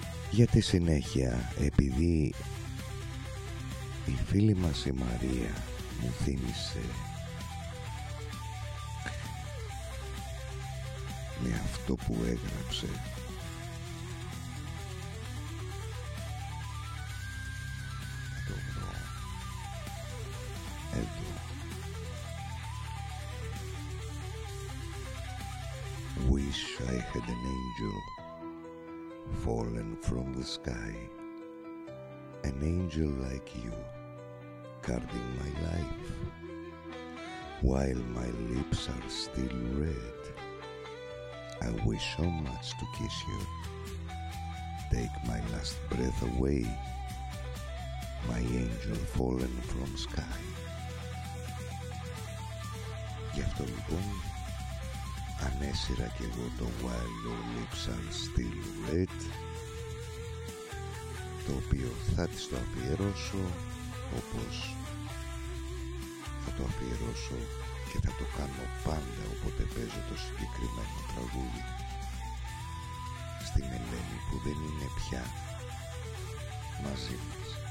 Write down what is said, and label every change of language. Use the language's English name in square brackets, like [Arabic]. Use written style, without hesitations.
[Greek] Για τη συνέχεια, επειδή η φίλη μας η Μαρία μου θύμισε με αυτό που έγραψε, το βρω εδώ. [English] Wish I had an angel fallen from the sky, an angel like you guarding my life, while my lips are still red. I wish so much to kiss you, take my last breath away, my angel fallen from sky. [Greek] Γι' αυτό λοιπόν ανέσυρα κι εγώ το «While your lips are still red», το οποίο θα της το αφιερώσω, όπως θα το αφιερώσω και θα το κάνω πάντα όποτε παίζω το συγκεκριμένο τραγούδι, στην Ελένη που δεν είναι πια μαζί μας.